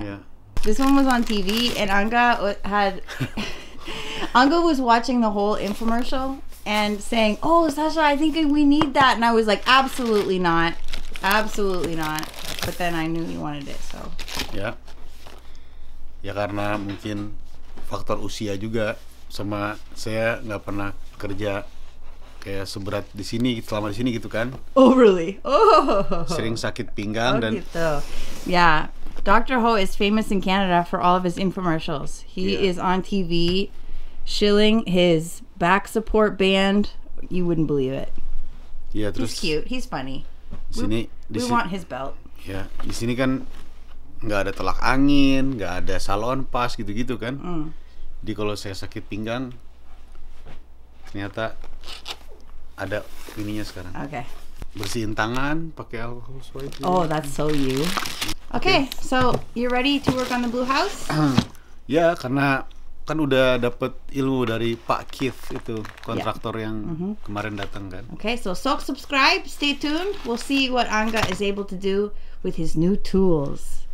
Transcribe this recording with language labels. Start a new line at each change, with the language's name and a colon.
English: Yeah. This one was on TV and Angga had... Angga was watching the whole infomercial and saying, oh, Sasha, I think we need that. And I was like, absolutely not. Absolutely not. But then I knew he wanted it, so. Ya.
Indonesian: Ya, karena mungkin faktor usia juga. Sama saya nggak pernah kerja kayak seberat di sini, selama di sini gitu kan.
English: Oh, really? Oh.
Indonesian: Sering sakit pinggang dan.
English: Gitu. Ya. Dr. Ho is famous in Canada for all of his infomercials. He is on TV shilling his back support band. You wouldn't believe it.
Indonesian: Yeah, terus
English: he's cute. He's funny.
Indonesian: Sini,
English: we want his belt.
Indonesian: Yeah, di sini kan nggak ada telak angin, nggak ada salon pas gitu-gitu kan. Mm. Jadi kalau saya sakit pinggang, ternyata ada ininya sekarang. Okay. Bersihin tangan, pakai alcohol swipe.
English: Oh, that's so you. Okay, so you're ready to work on the blue house?
Indonesian: Ya, karena kan udah dapet ilmu dari Pak Keith itu, kontraktor yang kemarin datang kan.
English: Okay, so subscribe, stay tuned. We'll see what Angga is able to do with his new tools.